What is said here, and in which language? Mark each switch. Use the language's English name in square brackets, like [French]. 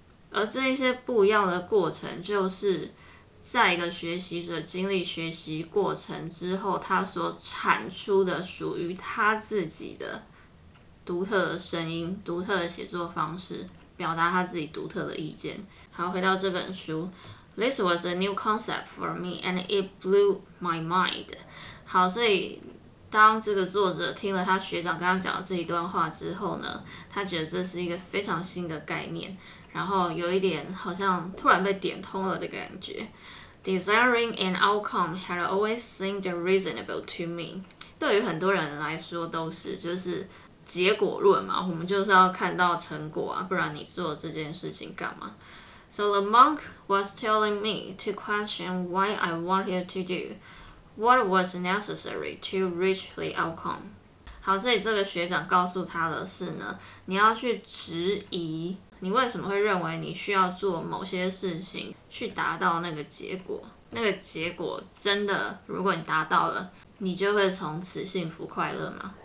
[Chinese] 而这一些不一样的过程，就是在一个学习者经历学习过程之后，他所产出的属于他自己的独特的声音、独特的写作方式，表达他自己独特的意见。好，回到这本书， [English] This was a new concept for me and it blew my mind. [Chinese] 好，所以当这个作者听了他学长刚刚讲的这一段话之后呢，他觉得这是一个非常新的概念，然后有一点好像突然被点通了的感觉。 [English] Desiring an outcome had always seemed reasonable to me. [Chinese] 对于很多人来说都是，就是结果论嘛，我们就是要看到成果啊，不然你做这件事情干嘛？ [English] So the monk was telling me to question why I wanted to do what was necessary to reach the outcome. [Chinese] 好，所以这个学长告诉他的是呢，你要去质疑你为什么会认为你需要做某些事情去达到那个结果。那个结果真的，如果你达到了，你就会从此幸福快乐吗？